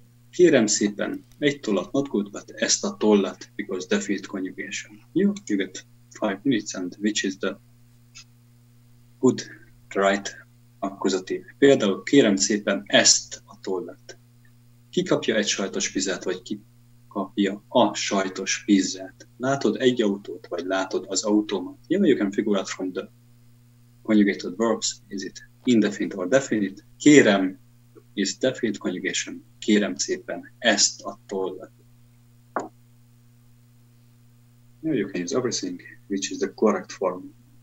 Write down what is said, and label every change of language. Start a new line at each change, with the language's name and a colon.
Hungarian: Kérem szépen, egy tollat
English: not good, but
Hungarian: ezt a tollat,
English: because definite conjugation. Jó, you get 5 minutes and which is the good, right, accusative.
Hungarian: Például kérem szépen ezt a tollat. Ki kapja egy sajtos pizzát, vagy ki kapja a sajtos pizzát. Látod egy autót, vagy látod az autómat?
English: Yeah, you can figure out from the conjugated verbs. Is it indefinite or definite? Kérem is definite conjugation.
Hungarian: Kérem szépen ezt a tollat.
English: Yeah, you can use everything, which is the correct form.